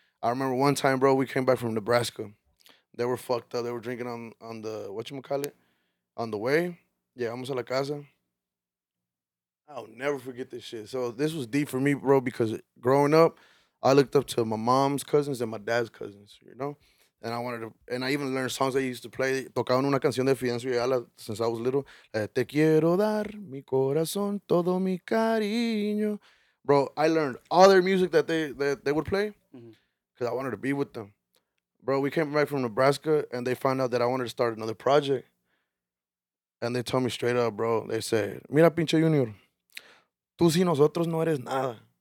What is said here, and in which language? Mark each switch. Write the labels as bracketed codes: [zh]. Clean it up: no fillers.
[en] I remember one time, bro, we came back from Nebraska. They were fucked up. They were drinking on the, whatchamacallit, on the way. [es] Llegamos a la casa. [en] I'll never forget this shit. So this was deep for me, bro, because growing up, I looked up to my mom's cousins and my dad's cousins, you know? And I wanted to, and I even learned songs they used to play. [es] Tocaban una canción de Fidencio Ayala [en] since I was little. [es] Te quiero dar mi corazón, todo mi cariño. [en] Bro, I learned all their music that they would play because I wanted to be with them. Bro, we came back from Nebraska and they found out that I wanted to start another project. And they told me straight up, bro, they said, [es] mira, pinche Junior, tú si nosotros no eres nada.